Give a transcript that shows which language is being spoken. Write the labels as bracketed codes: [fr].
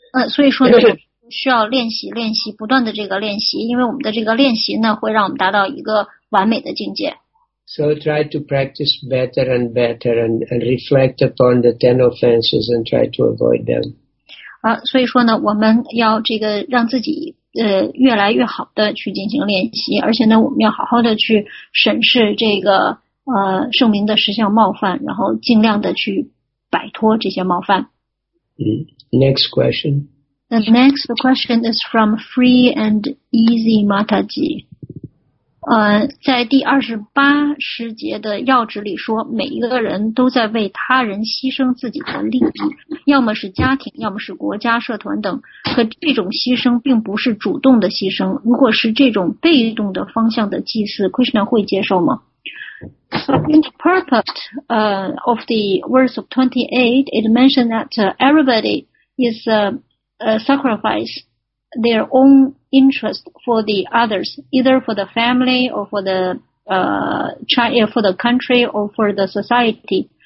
[zh] 所以说呢，需要练习，练习，不断的这个练习，因为我们的这个练习呢，会让我们达到一个完美的境界。 [en] So try to practice better and better and reflect upon the 10 offenses and try to avoid them. [zh] 所以说呢，我们要这个让自己越来越好的去进行练习，而且呢，我们要好好的去审视这个圣名的十项冒犯，然后尽量的去摆脱这些冒犯。 [en] Next question. The next question is from Free and Easy Mataji. [zh] 在第28十节的要旨里说，每一个人都在为他人牺牲自己的利益，要么是家庭，要么是国家、社团等。可这种牺牲并不是主动的牺牲。如果是这种被动的方向的祭祀，Krishna 会接受吗？ [en] So in the purport of the verse of 28, it mentioned that everybody is sacrifice their own interest for the others, either for the family or for the for the country or for the society.